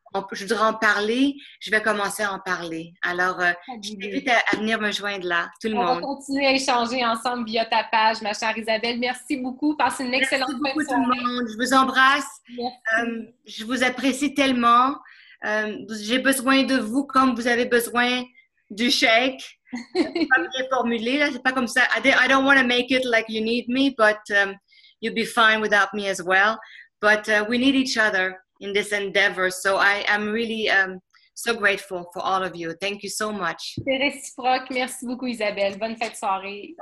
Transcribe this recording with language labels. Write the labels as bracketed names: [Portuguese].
[French] Je voudrais en parler, je vais commencer à en parler. Alors, je t'invite à venir me joindre là, tout le monde. On va continuer à échanger ensemble via ta page, ma chère Isabelle. Merci beaucoup, passe une excellente fin de soirée. Merci beaucoup tout le monde, je vous embrasse. Je vous apprécie tellement. J'ai besoin de vous comme vous avez besoin du chèque. C'est pas bien formulé, là. C'est pas comme ça. [English] I don't want to make it like you need me, but you'll be fine without me as well. But we need each other. In this endeavor, so I am really so grateful for all of you. Thank you so much. [French] C'est réciproque. Merci beaucoup, Isabelle. Bonne fête soirée.